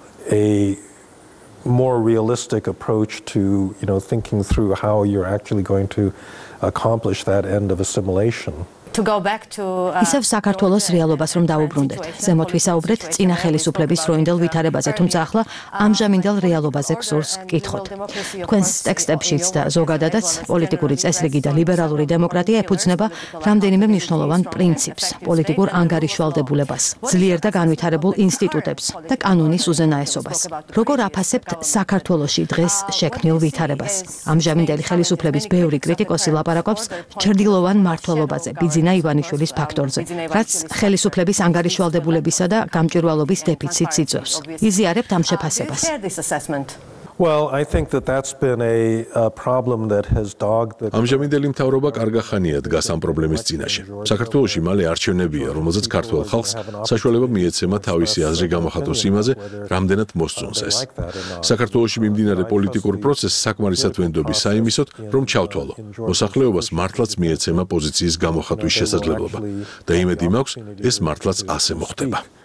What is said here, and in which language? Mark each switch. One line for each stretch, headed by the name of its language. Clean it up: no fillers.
English: A more realistic approach to, you know, thinking through how you're actually going to accomplish that end of assimilation. To go back to
Georgian: ისევ საქართველოს რეალობას რომ დავუბრუნდეთ. ზემოთ ვისაუბრეთ წინა ხელისუფლების როინდელ ვითარებაზე, თუმცა ახლა ამჟამინდელ რეალობაზე გსურს კითხოთ. თქვენს ტექსტებშიც და ზოგადადაც პოლიტიკური წესრიგი და ლიბერალური დემოკრატია ეფუძნება რამდენიმე მნიშვნელოვან პრინციპს, პოლიტიკურ ანგარიშვალდებულებას, ძლიერ და განვითარებულ ინსტიტუტებს და კანონის უზენაესობას. როგორ აფასებთ საქართველოში დღეს შექმნილ ვითარებას? ამჟამინდელი ხელისუფლების ბევრი კრიტიკოსი ლაპარაკობს ჩრდილოვან მართველობაზე. ბიძინა ივანიშვილის ფაქტორზე, რაც ხელისუფლების ანგარიშვალდებულებისა და გამჭვირვალობის დეფიციტს იწვევს. იზიარებთ ამ შეფასებას.
English: Well, I think that that's been a problem that has dogged the
Georgian: ამჟამინდელი მთავრობა კარგახანია დგას ამ პრობლემის წინაშე. საქართველოში მალე არჩევნებია, რომელზეც ქართველ ხალხს საშუალება მიეცემა თავისი აზრი გამოხატოს იმაზე, რამდენად მოსწონს ეს. საქართველოში მიმდინარე პოლიტიკურ პროცესს საკმარისად ვენდობი საიმისოდ, რომ ჩავთვალო. მოსახლეობას მართლაც მიეცემა პოზიციის გამოხატვის შესაძლებლობა და იმედი მაქვს, ეს მართლაც ასე მოხდება.